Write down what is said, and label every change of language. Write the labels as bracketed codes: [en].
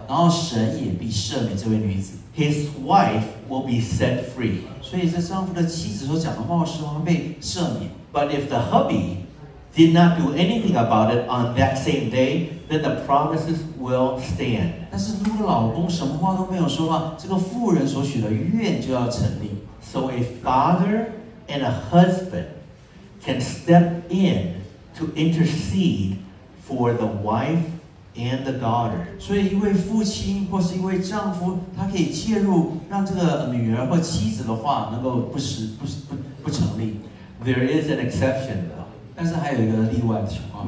[zh] 如果一个已婚的妇人，她已经许了愿，或是因为讲了一些冒冒失失的话，轻易的那个承诺的话，那她丈夫如果听见的话，可以把她这所许的愿跟这些冒失的承诺给取消掉，然后神也必赦免这位女子。 [en] His wife will be set free. [zh] 所以这丈夫的妻子所讲的冒失话被赦免。 [en] But if the hubby did not do anything about it on that same day, then the promises will stand. [zh] 但是如果老公什么话都没有说的话，这个妇人所许的愿就要成立。 [en] So a father and a husband can step in to intercede for the wife and the daughter. [zh] 所以一位父亲或是一位丈夫，他可以介入，让这个女儿或妻子的话能够不成立。 [en] There is an exception, though. [zh] 但是还有一个例外的情况。